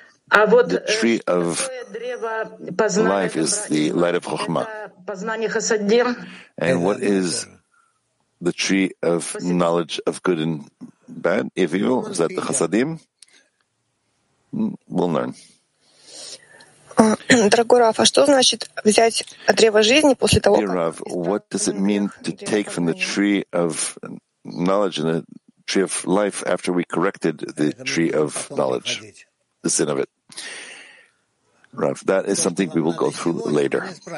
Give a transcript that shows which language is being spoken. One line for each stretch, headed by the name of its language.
English: The tree of life is the light of Chokhmah. And what is the tree of knowledge of good and bad, if evil? Is that the Chasadim? We'll learn.
Russian: Дорогой Рав, а что значит взять древо жизни после того, как...
English: Dear Rav, what does it mean to take from the tree of knowledge and the tree of life after we corrected the tree of knowledge, the sin of it? Rav, that is something we will go through later.